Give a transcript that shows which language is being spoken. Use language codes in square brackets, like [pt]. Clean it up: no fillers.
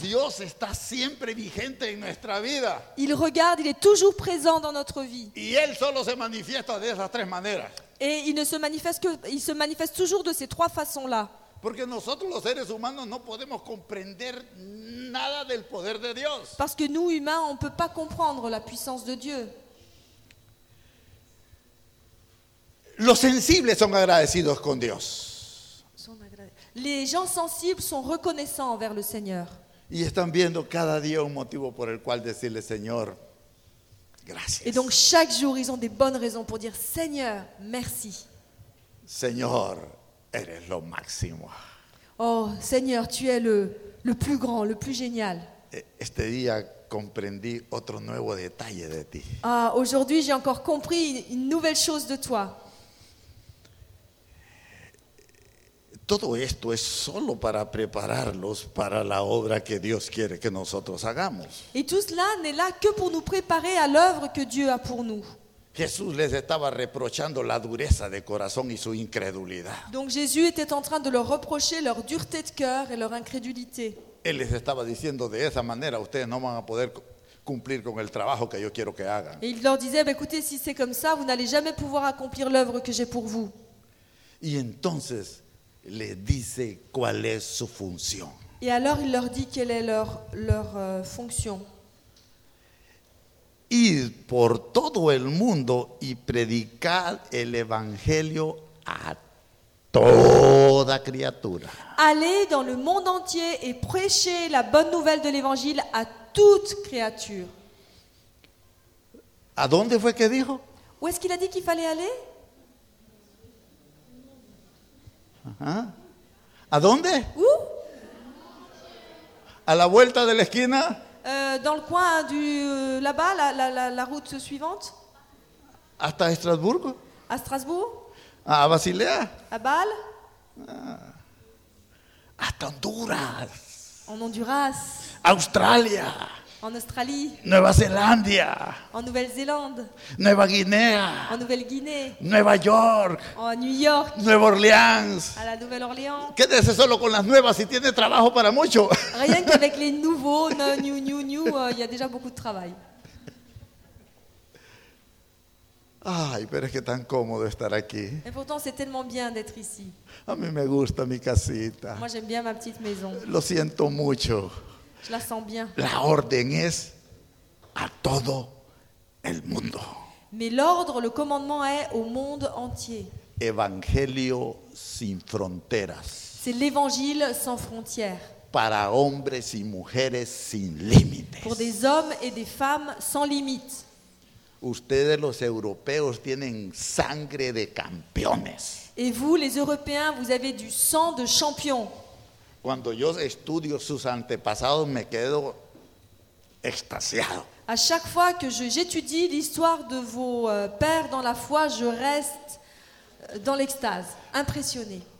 [es] Dios está siempre vigente en nuestra vida. [fr] Il regarde, il est toujours présent dans notre vie. [es] Y él solo se manifiesta de esas tres maneras. [fr] Et il ne se manifeste que, il se manifeste toujours de ces trois façons-là. [es] Porque nosotros los seres humanos no podemos comprender nada del poder de Dios. [fr] Parce que nous humains, on peut pas comprendre la puissance de Dieu. [es] Los sensibles son agradecidos con Dios. [fr] Les gens sensibles sont reconnaissants envers le Seigneur. [es] Y están viendo cada día un motivo por el cual decirle Señor, gracias. [fr] Et donc chaque jour, ils ont des bonnes raisons pour dire Seigneur, merci. [es] Señor, eres lo máximo. [fr] Oh, Seigneur, tu es le plus grand, le plus génial. [es] Este día comprendí otro nuevo detalle de ti. [fr] Ah, aujourd'hui, j'ai encore compris une nouvelle chose de toi. [es] Todo esto es solo para prepararlos para la obra que Dios quiere que nosotros hagamos. [fr] Et tout cela n'est là que pour nous préparer à l'œuvre que Dieu a pour nous. [es] Jesús les estaba reprochando la dureza de corazón y su incredulidad. [fr] Donc Jésus était en train de leur reprocher leur dureté de cœur et leur incrédulité. [es] Él les estaba diciendo de esa manera ustedes no van a poder cumplir con el trabajo que yo quiero que hagan. [fr] Et il leur disait bah, écoutez si c'est comme ça vous n'allez jamais pouvoir accomplir l'œuvre que j'ai pour vous. [es] Y entonces les dice cuál es su función. [fr] Et alors il leur dit quelle est leur fonction. [es] Id por todo el mundo y predicad el evangelio a toda criatura. [fr] Allez dans le monde entier et prêchez la bonne nouvelle de l'évangile à toute créature. [es] ¿A dónde fue que dijo? [fr] Où est-ce qu'il a dit qu'il fallait aller? [es] ¿Ah? ¿A dónde? [fr] Où? [es] ¿A la vuelta de la esquina? [fr] Dans le coin du là-bas, la route suivante. [es] Hasta Estrasburg. [fr] À Strasbourg. [es] À Basilea. [fr] À Bâle. [es] Hasta Honduras. [fr] En Honduras. [es] Australia. [fr] En Australie. Nouvelle-Zélande. En Nouvelle-Zélande. Nouvelle-Guinée. En Nouvelle-Guinée. [en] New York. [fr] En New York. [es] Nueva Orleans. [fr] À la Nouvelle-Orléans. [es] Quédese solo con las nuevas si tiene trabajo para mucho. [fr] Rien qu'avec les nouveaux, new, y a déjà beaucoup de travail. [es] Ay, pero es que tan cómodo estar aquí. [fr] Et pourtant, c'est tellement bien d'être ici. [es] A mí me gusta mi casita. [fr] Moi, j'aime bien ma petite maison. [es] Lo siento mucho. [fr] Je la sens bien. [es] La orden es a todo el mundo. [fr] Mais l'ordre, le commandement est au monde entier. [es] Evangelio sin fronteras. [fr] C'est l'évangile sans frontières. [es] Para hombres y mujeres sin límites. [fr] Pour des hommes et des femmes sans limites. [es] Ustedes los europeos tienen sangre de campeones. [fr] Et vous, les Européens, vous avez du sang de champion. [es] Cuando yo estudio sus antepasados me quedo extasiado. [fr] À chaque fois que j'étudie l'histoire de vos pères dans la foi, je reste dans l'extase, impressionné.